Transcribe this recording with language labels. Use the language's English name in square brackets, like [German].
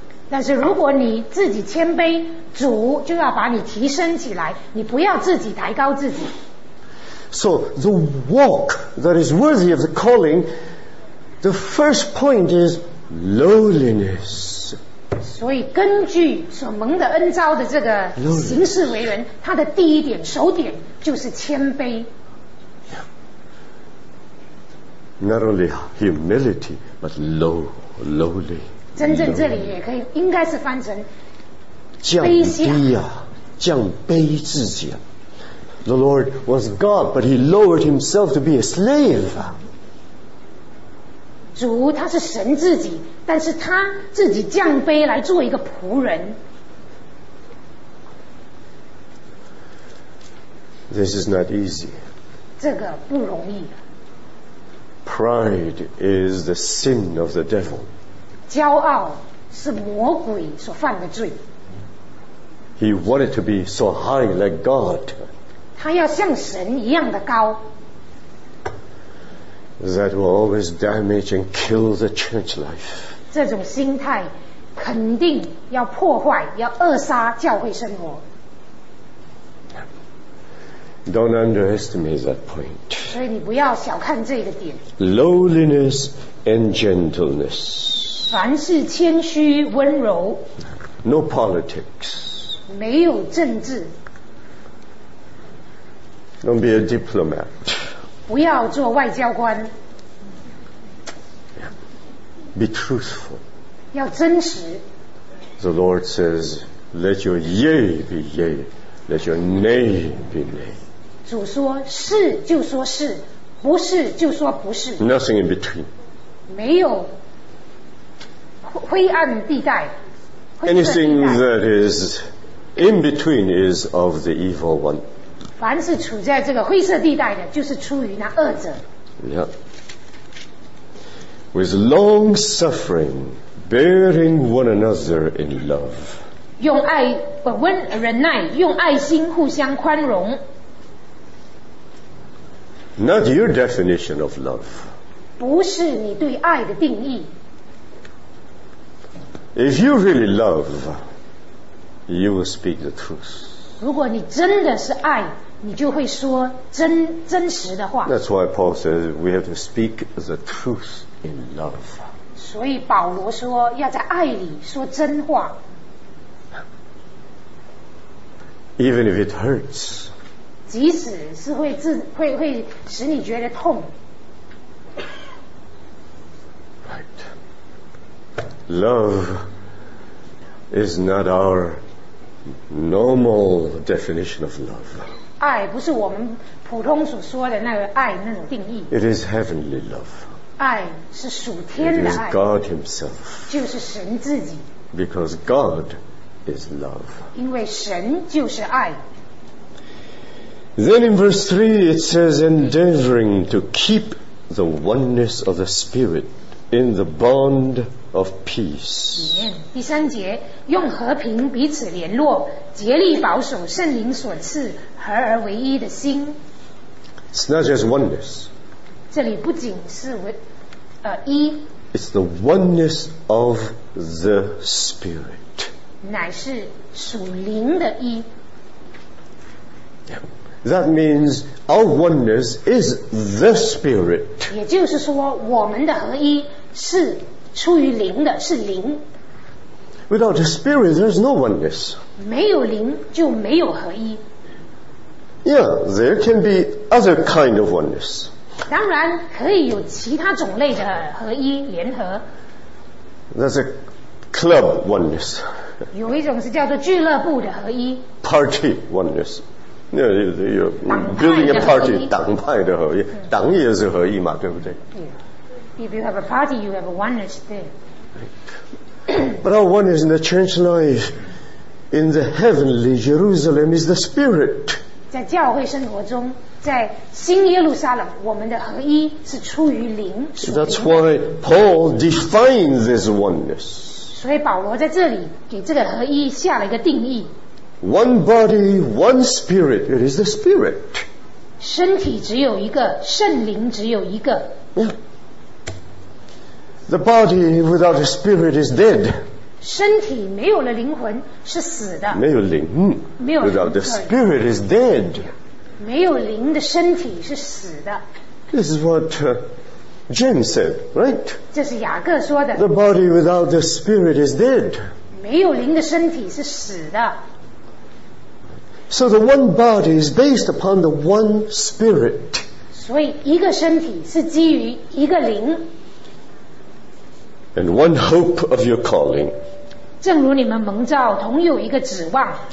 [Chinese] 但是如果你自己谦卑，主就要把你提升起来，你不要自己抬高自己。 [English] So the walk that is worthy of the calling, the first point is lowliness. [Chinese] 所以根据所蒙的恩召的这个行事为人，他的第一点首点就是谦卑。 [English] Not only humility, but lowly. [Chinese] 真正这里也可以，应该是翻成降低啊，降卑自己啊。 [English] The Lord was God, but He lowered Himself to be a slave. [Chinese] 主他是神自己，但是他自己降卑来做一个仆人。 [English] This is not easy. [Chinese] 这个不容易。 [English] Pride is the sin of the devil. [Chinese] 骄傲是魔鬼所犯的罪。 [English] He wanted to be so high like God. [Chinese] 他要像神一样的高。 [English] That will always damage and kill the church life. [Chinese] 这种心态肯定要破坏，要扼杀教会生活。 [English] Don't underestimate that point. [Chinese] 所以你不要小看这个点。 [English] Lowliness and gentleness. [Chinese] 凡事谦虚温柔。 [English] No politics. [Chinese] 没有政治。 [English] Don't be a diplomat. [Chinese] 不要做外交官。 [English] Be truthful. [Chinese] 要真实。 [English] The Lord says, "Let your yea be yea, let your nay be nay." [Chinese] 主说是就说是，不是就说不是。 [English] Nothing in between. [Chinese] 没有灰暗地带。 [English] Anything that is in between is of the evil one. [Chinese] 凡是处在这个灰色地带的，就是出于那恶者。 [English] Yeah. With long suffering, bearing one another in love. [Chinese] 用爱不温忍耐，用爱心互相宽容。 [English] Not your definition of love. [Chinese] 不是你对爱的定义。 [English] If you really love, you will speak the truth. [Chinese] 如果你真的是爱，你就会说真实的话。 [English] That's why Paul says we have to speak the truth in love. [Chinese] 所以保罗说要在爱里说真话。 [English] Even if it hurts. [Chinese] 即使是 会使你觉得痛。 [English] Right. Love is not our normal definition of love. [Chinese] 爱不是我们普通所说的那个爱那种定义。 [English] It is heavenly love. [Chinese] 爱是属天的爱。 [English] It is God Himself. [Chinese] 就是神自己。 [English] Because God is love. [Chinese] 因为神就是爱。 [English] Then in verse 3 it says endeavoring to keep the oneness of the Spirit in the bond of peace. [Chinese] 第三节用和平彼此联络，竭力保守圣灵所赐合而为一的心。 [English] It's not just oneness. [Chinese] 这里不仅是一。 [English] It's the oneness of the Spirit. [Chinese] 乃是属灵的一。 [English] That means our oneness is the Spirit. [Chinese] 也就是说，我们的合一是出于灵的，是灵。 [English] Without the Spirit, there's no oneness. [Chinese] 没有灵就没有合一。 [English] Yeah, there can be other kind of oneness. [Chinese] 当然可以有其他种类的合一联合。 [English] That's a club oneness. [Chinese] 有一种是叫做俱乐部的合一。 [English] Party oneness. You're building a party, [Chinese] 党派的合一，党也是合一嘛，对不对？ [English] Yeah. If you have a party, you have a oneness there. But our oneness in the church life, in the heavenly Jerusalem, is the Spirit. [Chinese] 在教会生活中，在新耶路撒冷，我们的合一是出于灵。 [English] That's why Paul defines this oneness. [Chinese] 所以保罗在这里给这个合一下了一个定义。 [English] One body, one spirit. It is the Spirit. [Chinese] 身体只有一个，圣灵只有一个。 [English] The body without a spirit is dead. [Chinese] 身体没有了灵魂是死的。没有灵。没有灵。 [English] Without the spirit is dead. [Chinese] 没有灵的身体是死的。 [English] This is what Jen said, right? [Chinese] 这是雅各说的。 [English] The body without the spirit is dead. [Chinese] 没有灵的身体是死的。 [English] So the one body is based upon the one spirit. [Chinese] 所以一个身体是基于一个灵。 [English] And one hope of your calling. [Chinese] 正如你们蒙召同有一个指望。